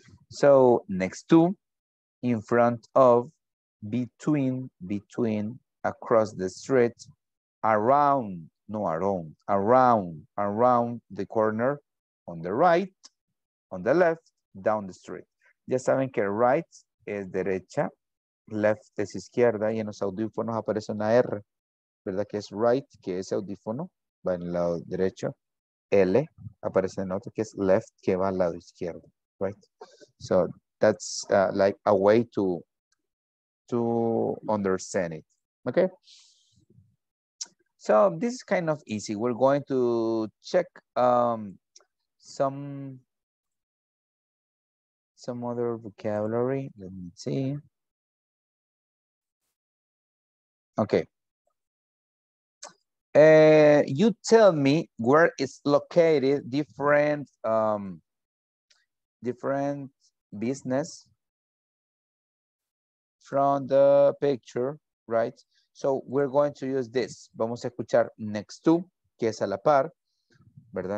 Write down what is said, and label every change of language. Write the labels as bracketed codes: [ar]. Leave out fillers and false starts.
[en] So next to, in front of, between, across the street, around the corner, on the right, on the left, down the street. [es] Ya saben que right es derecha, left es izquierda, y en los audífonos aparece una R, ¿verdad? Que es right, que es audífono, va en el lado derecho, L aparece en otro, que es left, que va al lado izquierdo, right? [en] So that's like a way to understand it, okay? So this is kind of easy. We're going to check some other vocabulary. Let me see. Okay. You tell me where it's located, different business from the picture, right? So we're going to use this. [es] Vamos a escuchar next to, que es a la par, ¿verdad?